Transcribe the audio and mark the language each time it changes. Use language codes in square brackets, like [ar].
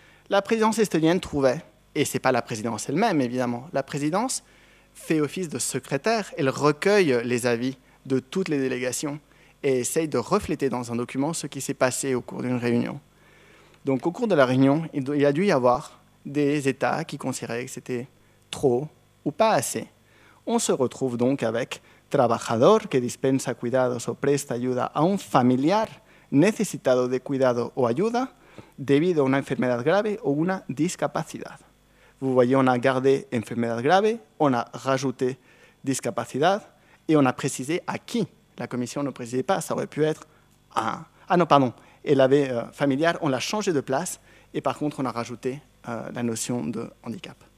[fr] La présidence estonienne trouvait, et ce n'est pas la présidence elle-même, évidemment, la présidence fait office de secrétaire, elle recueille les avis de toutes les délégations et essaye de refléter dans un document ce qui s'est passé au cours d'une réunion. Donc, au cours de la réunion, il a dû y avoir des États qui considéraient que c'était trop ou pas assez. On se retrouve donc avec [es] « Trabajador que dispensa cuidados o presta ayuda a un familiar necesitado de cuidado o ayuda debido a una enfermedad grave o una discapacidad ». [fr] Vous voyez, on a gardé « [es] enfermedad grave [fr] », on a rajouté « discapacidad » et on a précisé « à qui ». La Commission ne précisait pas, ça aurait pu être un... Ah non, pardon, elle avait familial, on l'a changé de place, et par contre, on a rajouté la notion de handicap.